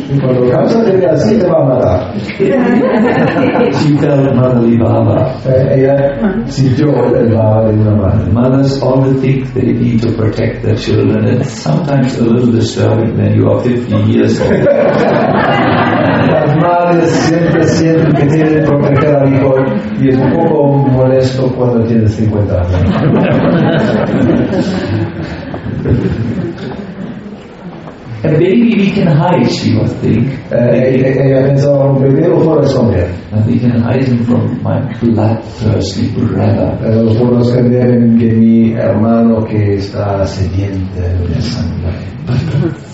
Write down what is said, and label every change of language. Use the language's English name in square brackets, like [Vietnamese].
[English] She fell at Manali Baba. Mothers always think they need to protect their children, and it's sometimes a little disturbing when you are 50 years old. [Spanish] Siempre siento que tiene que proteger al hijo y es un poco molesto cuando tiene 50 años. [English] A baby we can hide, she would think. [Spanish] Ella pensaba, un bebé lo puedo esconder. [English] And we can hide him from my bloodthirsty brother. [Spanish] Pero lo puedo esconder de mi hermano que está sediente de sangre.